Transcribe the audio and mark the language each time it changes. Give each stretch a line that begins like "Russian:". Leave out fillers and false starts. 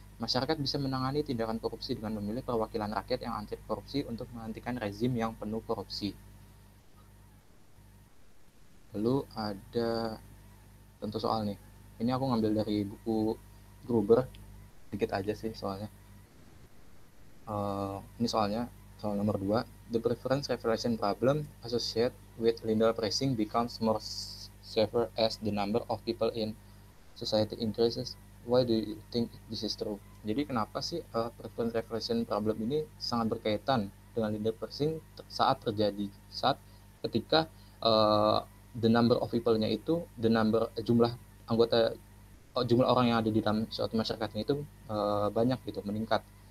Indonesian: Masyarakat bisa menangani tindakan korupsi dengan memilih perwakilan rakyat yang anti korupsi untuk menghentikan rezim yang penuh korupsi. Lalu ada tentu soal nih. Ini aku ngambil dari buku Gruber, dikit aja sih soalnya. Ini soalnya, soal nomor 2.
English: The preference revelation problem associated with Lindau pricing becomes more severe as the number of people in society increases. Why do you think this is true?
Indonesian: Jadi kenapa sih preference revelation problem ini sangat berkaitan dengan Lindau pricing saat terjadi, saat ketika
English: the number of people-
Indonesian: nya itu, the number jumlah anggota, jumlah orang yang ada di dalam suatu masyarakat itu banyak gitu, meningkat.